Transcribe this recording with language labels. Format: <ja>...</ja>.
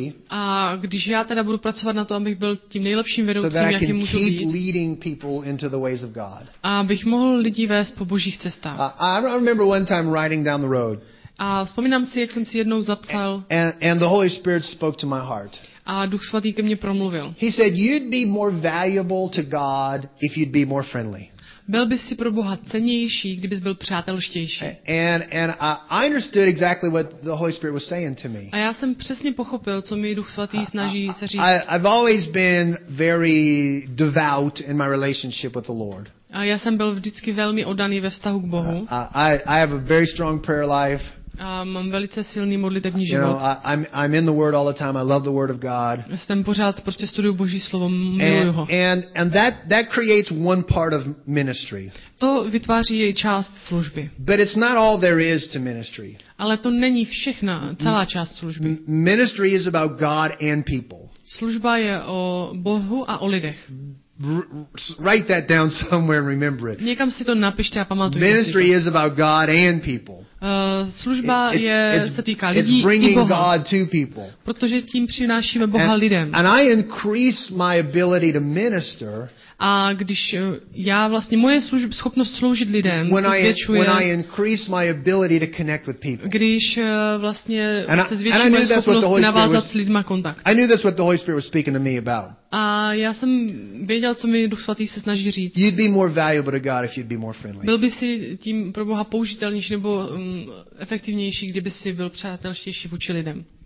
<cs>A když já teda budu pracovat na to, abych byl tím nejlepším vedoucím, jakým můžu být. Abych mohl lidi vést po božích cestách.</cs> <en>I remember one time riding down the road.</en> <cs>A vzpomínám si, jak jsem si jednou zapsal.</cs> <en>And the Holy Spirit spoke to my heart.</en> <cs>A Duch Svatý ke mně promluvil.</cs> <en>He said, you'd be more valuable to God if you'd be more friendly.</en> <cs>Byl bys si pro Boha cennější, kdybys byl přátelštější.</cs> <en>And I understood exactly what the Holy Spirit was saying to me.</en> <cs>A já jsem přesně pochopil, co mi Duch Svatý snaží se říct.</cs> <en>I've always been very devout in my relationship with the Lord.</en> <cs>A já jsem byl vždycky velmi oddaný ve vztahu k Bohu.</cs> <en>I have a very strong prayer life.</en> <cs>A mám velice silný modlitevní život.</cs> <en>I'm in the word all the time. I love the word of God.</en> <cs>Jsem pořád prostě studuju Boží slovo, miluju ho.</cs> <en>And that creates one part of ministry.</en> <cs>To vytváří její část služby.</cs> <en>But it's not all there is to ministry.</en> <cs>Ale to není všechno, celá část služby.</cs> <en>Ministry is about God and people.</en> <cs>Služba je o Bohu a o lidech.</cs> <en>Write that down somewhere and remember it.</en> <cs>Někam si to napište a pamatujte.</cs> <en>Ministry is about God and people.</en> <cs>Služba se týká lidí.</cs> <en>It's bringing God to people.</en> <cs>Protože tím přinášíme Boha lidem.</cs> <en>And I increase my ability to minister.</en> <cs>A když já vlastně moje schopnost sloužit lidem se zvětšuje.</cs> <en>When I increase my ability to connect with people.</en> <cs>Když vlastně se zvětšuje moje schopnost navázat s lidma kontakt.</cs> <en>I knew that's what the Holy Spirit was speaking to me about.</en> <cs>A já jsem věděl, co mi Duch Svatý se snaží říct.</cs> <en>You'd be more valuable to God if you'd be more friendly.</en> <cs>Byl by si tím pro Boha použitelnější nebo efektivnější, kdyby si byl přátelštější vůči lidem.</cs>